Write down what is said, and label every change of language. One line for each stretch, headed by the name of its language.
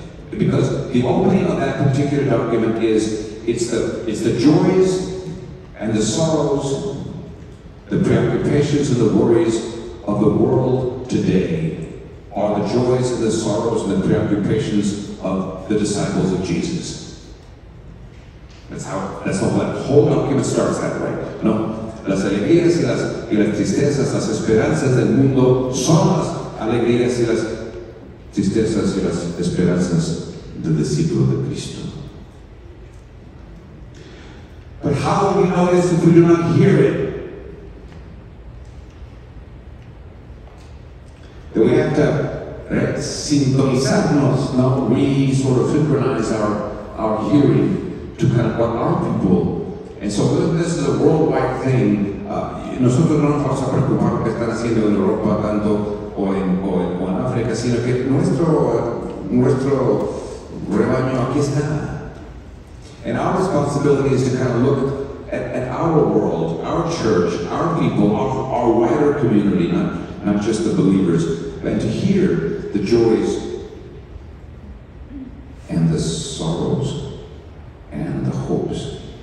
English: Because the opening of that particular document is, it's the joys and the sorrows, the preoccupations and the worries of the world today are the joys and the sorrows and the preoccupations of the disciples of Jesus. That's how that whole document starts that way.
Spanish: No, las alegrías y las tristezas, las esperanzas del mundo son las alegrías y las tristezas y las esperanzas del discípulo de Cristo.
English: But how do we know this if we do not hear it? Then we have to
Spanish: re-sintonizarnos, no?
English: We sort of synchronize our hearing to kind of what our people. And so this is a worldwide thing.
Spanish: Nosotros no nos vamos a preocupar lo que están haciendo en Europa tanto o en África, sino que nuestro rebaño aquí está.
English: And our responsibility is to kind of look at our world, our church, our people, our wider community, not just the believers, and to hear the joys and the sorrows and the hopes.